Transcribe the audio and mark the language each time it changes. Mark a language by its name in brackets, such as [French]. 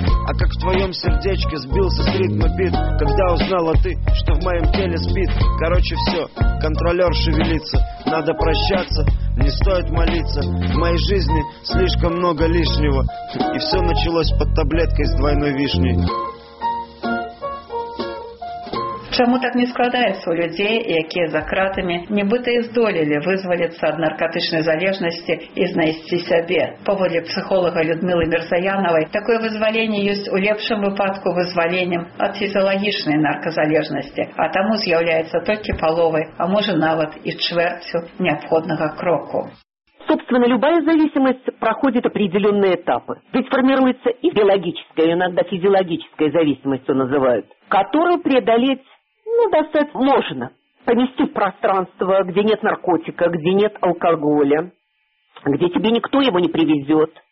[Russian] А как в твоем сердечке сбился с ритма бит, когда узнала ты, что в моем теле спит. Короче, все, контролер шевелится, надо прощаться, не стоит молиться. В моей жизни слишком много лишнего, и все началось под таблеткой с двойной вишней. [Ukrainian] Чому так не складається у людей, які за кратами нібито і здолілі визволитися від наркотичної залежності і знайти себе? Поводі психолога Людмили Мірзаянової, таке визволення є у ліпшому випадку визволенням від фізіологічної наркозалежності, а тому з'являється тільки половою, а може навіть і чвертю необхідного кроку. [Russian] Собственно, любая зависимость проходит определенные этапы. Ведь формируется и биологическая, иногда физиологическая зависимость, что называют, которую преодолеть, ну, достаточно можно. Понести в пространство, где нет наркотика, где нет алкоголя, где тебе никто его не привезет.